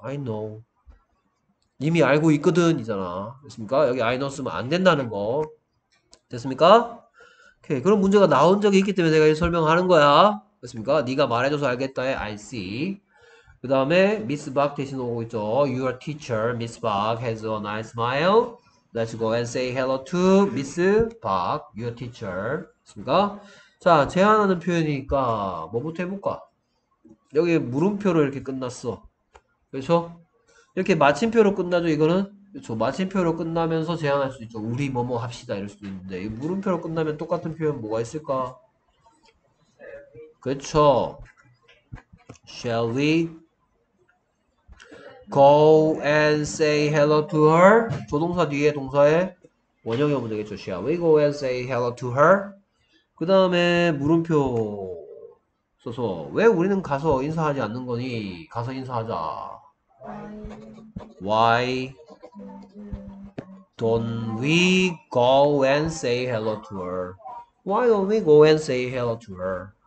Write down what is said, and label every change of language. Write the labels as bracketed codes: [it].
[en] I know. [ko] 이미 알고 있거든이잖아. 됐습니까? 여기 [en] I know [ko] 쓰면 안 된다는 거. 됐습니까? 오케이. 그런 문제가 나온 적이 있기 때문에 내가 이 설명하는 거야. 그렇습니까? 네가 말해줘서 알겠다에 [en] I see. [ko] 그 다음에 미스 박 대신 오고 있죠. [en] Your teacher, Miss Park, has a nice smile. Let's go and say hello to Miss Park, your teacher. [ko] 그렇습니까? 자, 제안하는 표현이니까 뭐부터 해볼까? 여기 물음표로 이렇게 끝났어. 그렇죠? 이렇게 마침표로 끝나죠, 이거는? 그렇죠. 마침표로 끝나면서 제안할 수 있죠. 우리 뭐뭐 합시다 이럴 수도 있는데 이 물음표로 끝나면 똑같은 표현 뭐가 있을까? 그렇죠. [en] Shall we go and say hello to her? [ko] 조동사 뒤에 동사에 원형이 오면 되겠죠. [en] Shall we go and say hello to her? [ko] 그 다음에 물음표 써서 왜 우리는 가서 인사하지 않는 거니? 가서 인사하자. [en] Why don't we go and say hello to her? Why don't we go and say hello to her?